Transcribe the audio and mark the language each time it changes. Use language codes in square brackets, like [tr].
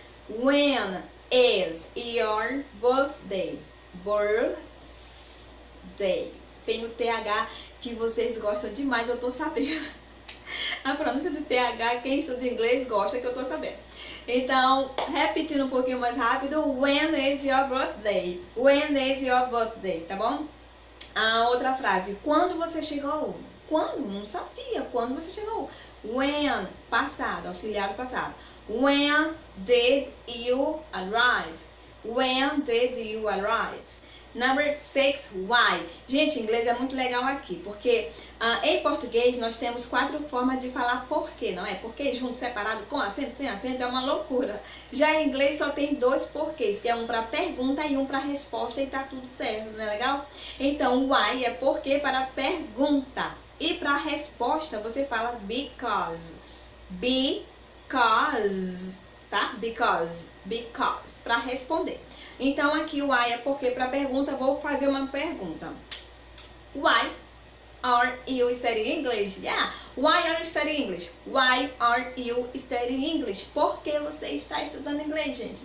[en] When is your birthday? [pt] Birthday. Tem o TH que vocês gostam demais, eu tô sabendo. A pronúncia do TH, quem estuda inglês gosta, que eu tô sabendo. Então, repetindo um pouquinho mais rápido, [en] when is your birthday? When is your birthday, [pt] tá bom? A outra frase, quando você chegou? Quando? Não sabia, quando você chegou? [en] When, [pt] passado, auxiliar do passado. [en] When did you arrive? When did you arrive? Number 6, why? [pt] Gente, inglês é muito legal aqui, porque em português nós temos quatro formas de falar porquê, não é? Porquê junto, separado, com acento, sem acento, é uma loucura. Já em inglês só tem dois porquês, que é um para pergunta e um para resposta, e tá tudo certo, não é legal? Então, why é porquê para pergunta. E para resposta você fala because. Because, tá? Because, para responder. Então, aqui o why é porque para pergunta, vou fazer uma pergunta. Why [en] are you studying English? Yeah. Why are you studying English? Why are you studying English? [pt] Por que você está estudando inglês, gente?